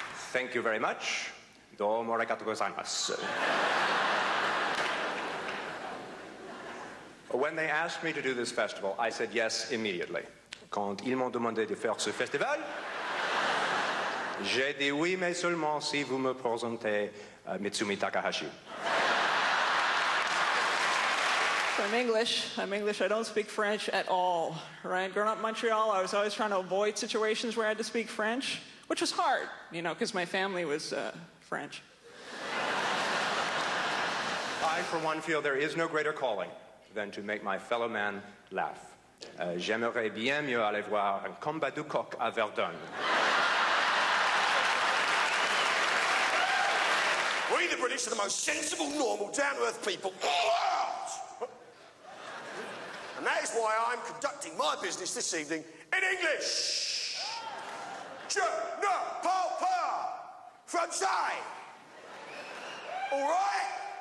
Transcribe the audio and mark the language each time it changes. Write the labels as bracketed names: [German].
[English] Thank you very much. [Japanese] Domo arigato gozaimasu. [English] When they asked me to do this festival, I said yes immediately. [French] Quand ils m'ont demandé de faire ce festival, j'ai dit oui, mais seulement si vous me présentez Mitsumi Takahashi. [English] So I'm English. I don't speak French at all, right? Growing up in Montreal, I was always trying to avoid situations where I had to speak French, which was hard, you know, because my family was French. I, for one, feel there is no greater calling than to make my fellow man laugh. [French] J'aimerais bien mieux aller voir un combat de coq à Verdun. [English] We, the British, are the most sensible, normal, down-to-earth people in the world! And that is why I'm conducting my business this evening in English! [French] Je ne parle pas français! [English] All right?